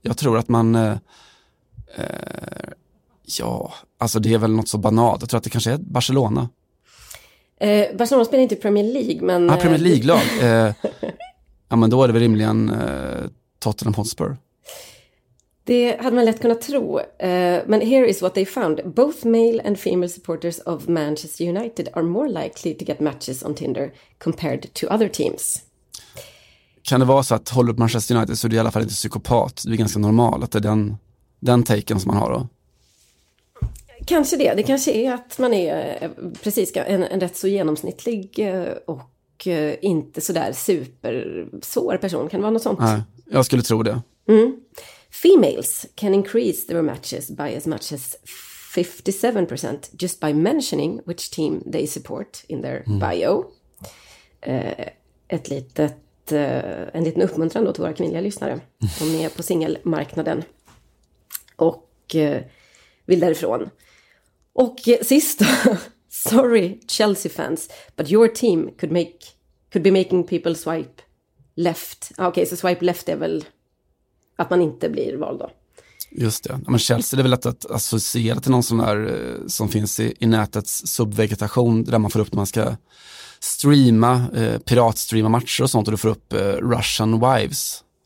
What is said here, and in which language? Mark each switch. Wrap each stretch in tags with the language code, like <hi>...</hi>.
<sv>Jag tror att man, alltså det är väl något så banalt. Jag tror att det kanske är Barcelona. Barcelona spelar inte Premier League, men... Ja, Premier League-lag. ja, men då är det väl rimligen Tottenham Hotspur. Det hade man lätt kunnat tro, men</sv> <en>here is what they found. Both male and female supporters of Manchester United are more likely to get matches on Tinder compared to other teams.</en> <sv>Kan det vara så att håller upp Manchester United så är du i alla fall inte psykopat? Det är ganska normalt att det är den taken som man har då? Kanske det. Det kanske är att man är precis en rätt så genomsnittlig och inte så där supersår person. Kan det vara något sånt? Nej, jag skulle tro det. Mm.</sv> <en>Females can increase their matches by as much as 57% just by mentioning which team they support in their bio.</en> <sv>Ett litet en liten uppmuntran då till våra kvinnliga lyssnare som är på singelmarknaden och vill därifrån. Och sist,</sv> <en>sorry Chelsea fans, but your team could be making people swipe left.</en> <sv>Okej, så swipe left är väl att man inte blir vald då. Just det. Men Chelsea, det är väl att associera till någon sån här som finns i nätets subvegetation där man får upp när man ska streama, piratstreama matcher och sånt, och du får upp Russian Wives.</sv>